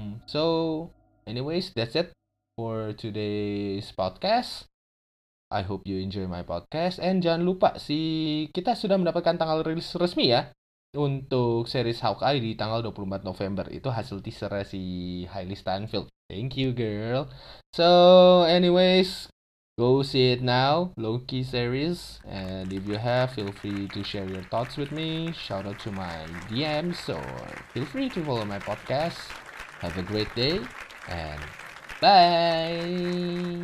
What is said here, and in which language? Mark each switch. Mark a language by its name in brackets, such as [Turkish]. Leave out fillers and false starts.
[English] So, anyways, that's it for today's podcast. I hope you enjoy my podcast. [Indonesian] And jangan lupa sih, kita sudah mendapatkan tanggal rilis resmi ya untuk series Hawkeye di tanggal 24 November. Itu hasil teaser si Hailee Steinfeld. [English] Thank you, girl. So, anyways, go see it now, Loki series. And if you have, feel free to share your thoughts with me. Shout out to my DMs or feel free to follow my podcast. Have a great day and bye.